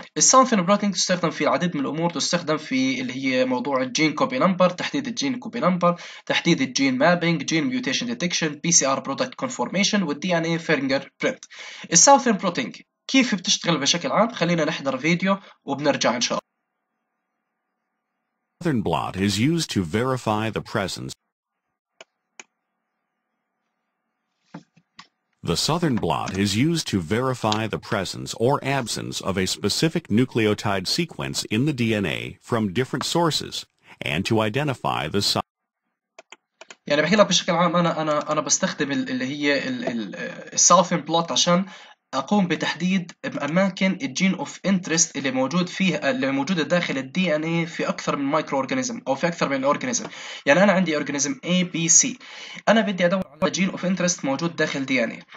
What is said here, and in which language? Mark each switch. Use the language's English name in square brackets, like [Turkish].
[Arabic] الساوثرن بلوتينج تستخدم في العديد من الامور، تستخدم في اللي هي موضوع الجين كوبي نمبر، تحديد الجين كوبي نمبر، تحديد الجين مابينج، جين ميوتيشن ديتكشن، بي سي ار برودكت كونفورميشن، والدي ان اي فينجر برنت. الساوثرن بلوتينج كيف بتشتغل بشكل عام؟ خلينا نحضر فيديو وبنرجع ان شاء الله. [English] Southern blot is used to verify the presence. The southern blot is used to verify the presence or absence of a specific nucleotide sequence in the DNA from different sources and to identify the site. [Arabic] يعني بحكي لك بشكل عام، انا بستخدم اللي هي الساوثرن بلوت عشان اقوم بتحديد اماكن الجين اوف انترست اللي موجود فيه، اللي موجوده داخل الدي ان اي في اكثر من مايكرو اورجانيزم او في اكثر من اورجانيزم. يعني انا عندي اورجانيزم اي بي سي، انا بدي ادور على جين اوف انترست موجود داخل دي ان اي.